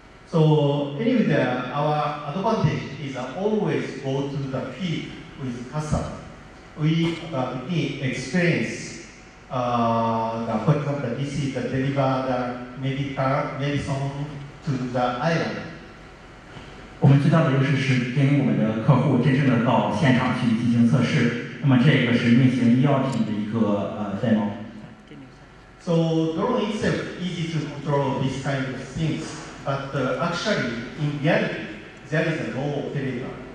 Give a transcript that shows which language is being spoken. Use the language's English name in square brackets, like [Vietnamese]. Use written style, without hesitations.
[English] So anyway, our advantage is always go to the field with customer. We need experience. For example, this is the deliver the medicine to the island. [Chinese] 我们最大的优势是跟我们的客户真正的到现场去进行测试。那么这个是运行医药品的一个demo. [English] So drone itself easy to control this kind of things, but actually in reality there is no operator.